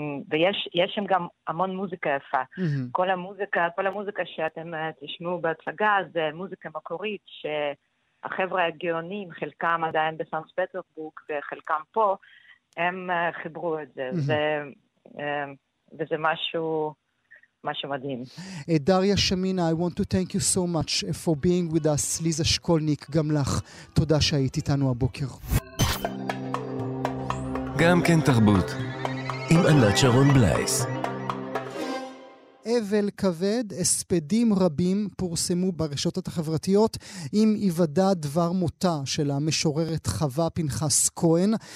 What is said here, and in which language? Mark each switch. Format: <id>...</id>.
<he>ויש שם גם המון מוזיקה יפה. Mm-hmm. כל המוזיקה שאתם תשמעו בהצגה, זה מוזיקה מקורית שהחבר'ה הגאונים, חלקם עדיין בסנט פטרסבורג וחלקם פה, הם חיברו את זה. Mm-hmm. וזה משהו...</he> <en>דריה שמינה, I want to thank you so much for being with us.</en> <he>ליזה שקולניק, גם לך תודה שהיית איתנו הבוקר. גם כן תרבות עם ענת שרון בלייס. אבל כבד, הספדים רבים פורסמו ברשתות החברתיות עם היוודע דבר מותה של המשוררת חווה פנחס כהן.</he>